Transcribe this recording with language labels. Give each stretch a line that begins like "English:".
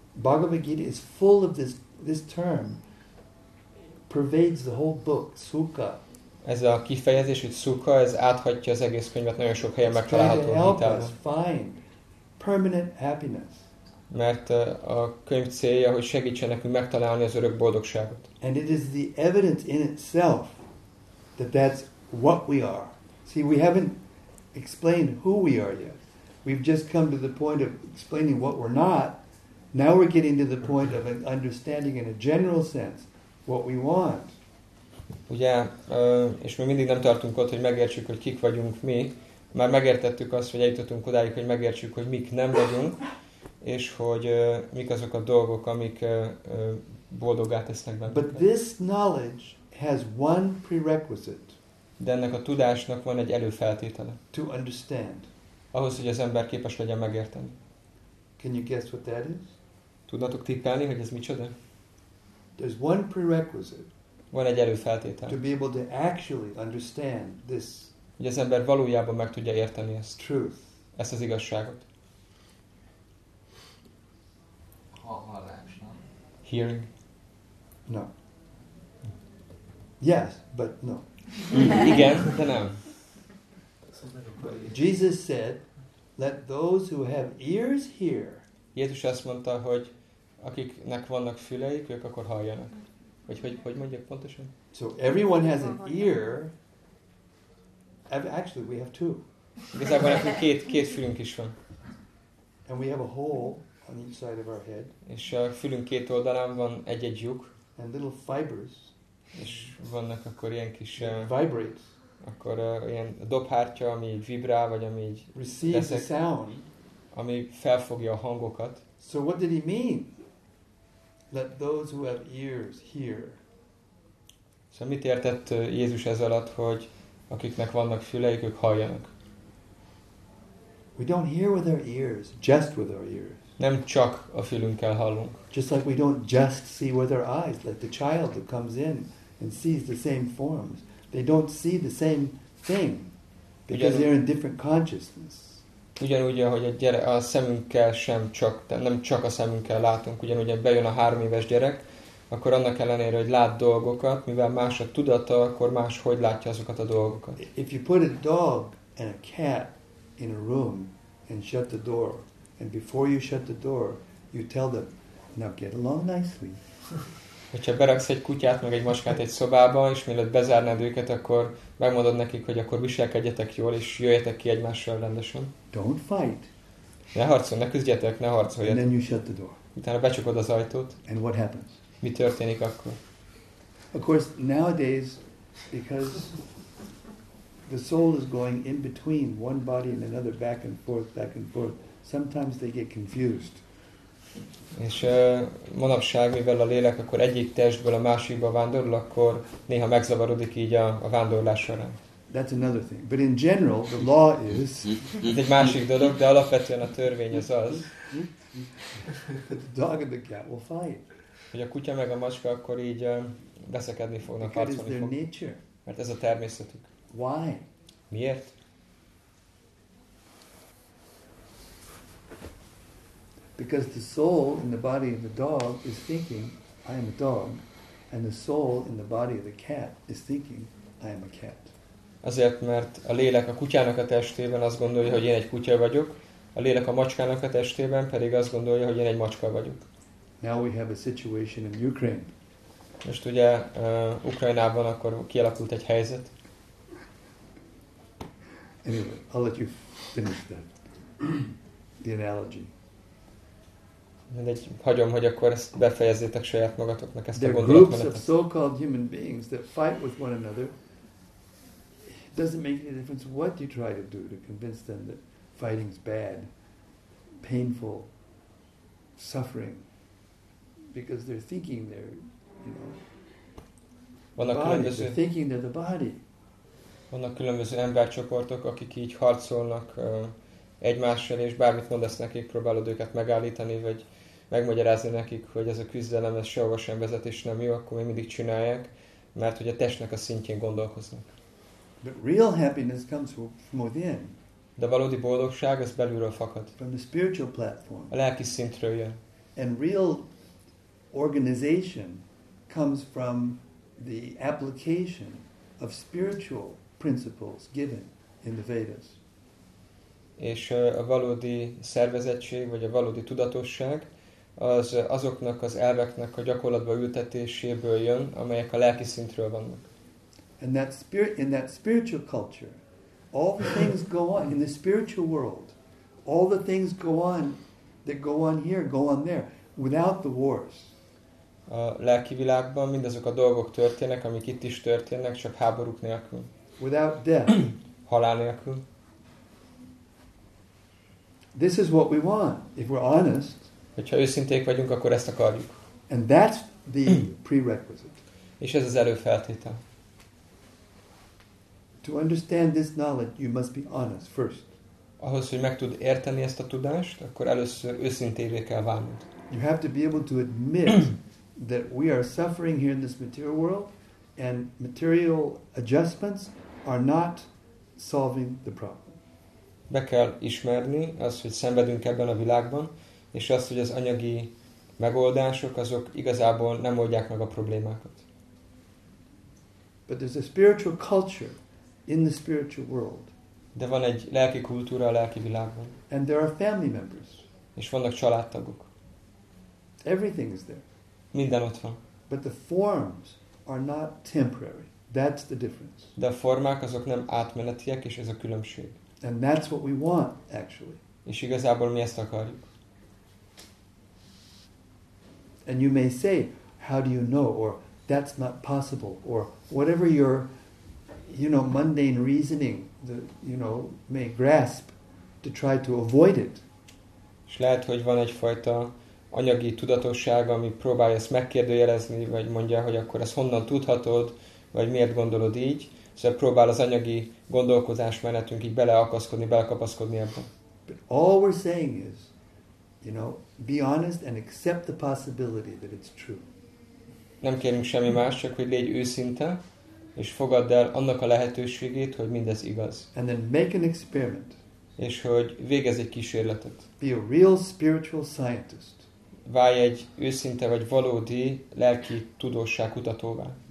English: Bhagavad Gita is full of this term. Pervades the whole book, sukha.
Hungarian: Ez a kifejezés, hogy sukha, ez áthatja az egész könyvet, nagyon sok helyen megtalálható a Gita-ban.
English: Find permanent happiness.
Hungarian: Mert a könyv célja, hogy segítsen nekünk megtalálni az örök boldogságot.
English: And it is the evidence in itself that that's what we are. See, we haven't explained who we are yet. We've just come to the point of explaining what we're not. Now we're getting to the point of an understanding in a general sense what we want.
Hungarian: Ugye, és mi mindig nem tartunk ott, hogy megértsük, hogy kik vagyunk mi. Már megértettük azt, hogy eljutottunk odáig, hogy megértsük, hogy mik nem vagyunk, és hogy mik azok a dolgok, amik boldoggá tesznek bennünket.
English: But this knowledge has one prerequisite.
Hungarian: De ennek a tudásnak van egy előfeltétele.
English: To understand.
Hungarian: Ahhoz, hogy az ember képes legyen megérteni.
English: Can you guess what that is?
Hungarian: Tudnátok tippelni, hogy ez micsoda?
English: There's one prerequisite.
Hungarian: Van egy előfeltétel.
English: To be able to actually understand this.
Hungarian: Hogy az ember valójában meg tudja érteni ezt.
English: Truth.
Hungarian: Ezt az igazságot. Hallás,
English: no? Hearing. No. Yes, but no.
Hungarian: Igen, de nem.
English: Jesus said, let those who have ears hear.
Hungarian: Jézus azt mondta, hogy akiknek vannak füleik, ők akkor halljanak. Hogy mondják pontosan?
English: So everyone has an ear. Actually, we have two.
Hungarian: Igazából nekünk két fülünk is van.
English: And we have a hole on each side of our head.
Hungarian: És a fülünk két oldalán van egy-egy lyuk.
English: And little fibers.
Hungarian: És vannak akkor ilyen kis
English: vibrates.
Hungarian: Akkor ilyen dobhártya, ami vibrál, vagy ami így
English: receives the sound.
Hungarian: Ami felfogja a hangokat.
English: So what did he mean? Let those who have ears hear.
Hungarian: Szóval mit értett Jézus ez alatt, hogy akiknek vannak füleik, ők halljanak?
English: We don't hear with our ears, just with our ears.
Hungarian: Nem csak a fülünkkel hallunk.
English: Just like we don't just see with our eyes, like the child who comes in and sees the same forms. They don't see the same thing, because
Hungarian: ugyanúgy,
English: they're in different consciousness.
Hungarian: Ugyanúgy, ahogy a szemünkkel sem csak, nem csak a szemünkkel látunk, ugyanúgy, hogy bejön a 3 éves gyerek, akkor annak ellenére, hogy lát dolgokat, mivel más a tudata, akkor más hogy látja azokat a dolgokat.
English: If you put a dog and a cat in a room and shut the door, and before you shut the door, you tell them, now get along nicely.
Hungarian: Hogyha beraksz egy kutyát, meg egy macskát egy szobába, és mielőtt bezárnád őket, akkor megmondod nekik, hogy akkor viselkedjetek jól, és jöjjetek ki egymással rendesen.
English: Don't fight.
Hungarian: Ne harcolj, ne küzdjetek, ne harcolj.
English: And then you shut the door.
Hungarian: Utána becsukod az ajtót.
English: And what happens?
Hungarian: Mi történik akkor?
English: Of course, nowadays, because the soul is going in between one body and another, back and forth, sometimes they get confused.
Hungarian: És manapság, mivel a lélek akkor egyik testből a másikba vándorol, akkor néha megzavarodik így a vándorlás során.
English: That's another thing. But in general, the law is...
Hungarian: Ez egy másik dolog, de alapvetően a törvény az az.
English: The dog and the cat will fight.
Hungarian: Hogy a kutya meg a macska akkor így veszekedni fognak, harcolni fognak.
English: Because it's their nature.
Hungarian: Mert ez a természetük.
English: Why?
Hungarian: Miért?
English: Because the soul in the body of the dog is thinking, I am a dog, and the soul in the body of the cat is thinking, I am a cat.
Hungarian: Azért, mert a lélek a kutyának a testében azt gondolja, hogy én egy kutya vagyok, a lélek a macskának a testében pedig azt gondolja, hogy én egy macska vagyok.
English: Now we have a situation in Ukraine.
Hungarian: Most ugye Ukrajnában akkor kialakult egy helyzet.
English: Anyway, I'll let you finish that. The analogy.
Hungarian: Mindegy, hagyom, hogy akkor ezt befejezzétek saját magatoknak ezt a gondolatmenetet.
English: There are groups of so-called human beings that fight with one another. It doesn't make any difference what you try to do to convince them that fighting is bad, painful, suffering, because they're thinking they're, you know,
Hungarian: vannak
English: the body. They're thinking they're the body.
Hungarian: Vannak különböző embercsoportok, akik így harcolnak egymással, és bármit mondasz nekik, próbálod őket megállítani, vagy megmagyarázni nekik, hogy ez a küzdelem, ez sehova sem vezet, és nem jó, akkor még mindig csinálják, mert hogy a testnek a szintjén gondolkoznak.
English: But real happiness comes from within.
Hungarian: De valódi boldogság, az belülről fakad.
English: From the spiritual platform.
Hungarian: A lelki szintről jön.
English: And real organization comes from the application of spiritual principles given in the Vedas.
Hungarian: és a valódi szervezettség, vagy a valódi tudatosság, az azoknak az elveknek a gyakorlatba ültetéséből jön, amelyek a lelki szintről vannak.
English: And that spirit, in that spiritual culture, all the things go on in the spiritual world. All the things go on that go on here, go on there, without the wars.
Hungarian: A lelki világban mindazok a dolgok történnek, amik itt is történnek, csak háborúk nélkül.
English: Without death.
Hungarian: Halál nélkül.
English: This is what we want, if we're honest.
Hungarian: Hogyha őszinték vagyunk, akkor ezt akarjuk.
English: And that's the prerequisite.
Hungarian: És ez az előfeltétel.
English: To understand this knowledge, you must be honest first.
Hungarian: Ahhoz, hogy meg tud érteni ezt a tudást, akkor először őszintévé kell válnod.
English: You have to be able to admit that we are suffering here in this material world, and material adjustments are not solving the problem.
Hungarian: Be kell ismerni azt, hogy szenvedünk ebben a világban, és azt, hogy az anyagi megoldások, azok igazából nem oldják meg a problémákat.
English: But there's a spiritual culture in the spiritual world.
Hungarian: De van egy lelki kultúra a lelki világban.
English: And there are family members.
Hungarian: És vannak családtagok.
English: Everything is there.
Hungarian: Minden ott van.
English: But the forms are not temporary. That's the difference.
Hungarian: De a formák azok nem átmenetiek, és ez a különbség.
English: And that's what we want, actually.
Hungarian: És igazából mi ezt akarjuk.
English: And you may say, how do you know, or that's not possible, or whatever your, you know, mundane reasoning that, you know, may grasp to try to avoid it.
Hungarian: És lehet, hogy van egyfajta anyagi tudatosság, ami próbálja ezt megkérdőjelezni, vagy mondja, hogy akkor ezt honnan tudhatod, vagy miért gondolod így. Szóval próbál az anyagi gondolkozás menetünk így beleakaszkodni, belekapaszkodni ebben.
English: But all we're saying is, you know, be honest and accept the possibility that it's true.
Hungarian: Nem kérünk semmi más, csak hogy légy őszinte, és fogadd el annak a lehetőségét, hogy mindez igaz.
English: And then make an experiment.
Hungarian: És hogy végezz egy kísérletet.
English: Be a real spiritual scientist.
Hungarian: Válj egy őszinte vagy valódi lelki tudósság kutatóvá.